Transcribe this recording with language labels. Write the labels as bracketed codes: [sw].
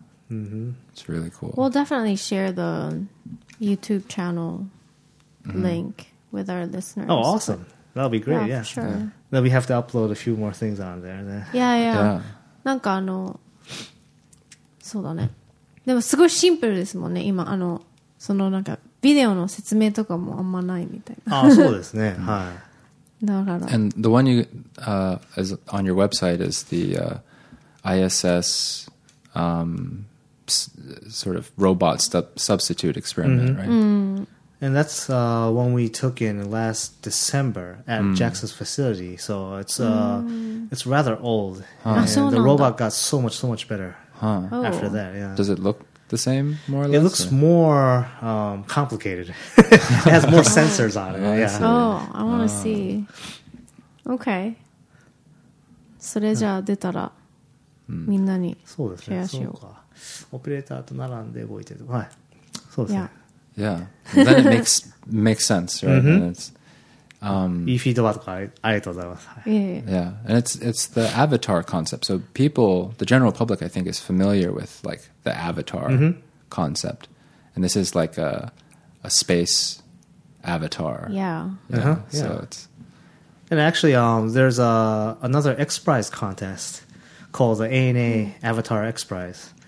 [en] It's really cool. We'll definitely share the YouTube channel link with our listeners. Oh, awesome. That'll be great. Yeah, sure. Yeah. Then we have to upload a few more things on there. [ja] でもすごいシンプルですもんね。今、そのなんかビデオの説明とかもあんまないみたいな。あ、そうですね。はい。だから。 [en] And the one you is on your website is the ISS sort of robot substitute experiment, right? And that's one we took in last December at Jackson's facility. So it's rather old. And the robot got so much better after that. Yeah. Does it look the same, more or less? It looks more complicated. It has more sensors on it. Yeah. I want to see. Okay. [ja] それじゃ出たらみんなにシェアしよう。オペレーターと並んで動いてる。はい。そうですね。 [en] Yeah, and then it makes sense, right? Mm-hmm. And it's [ja] いい フィードバックありがとうございます. [en] Yeah, and it's the avatar concept. So people, the general public, I think, is familiar with like the avatar concept, and this is like a space avatar. Yeah. And actually, there's another XPRIZE contest called the ANA Avatar XPRIZE.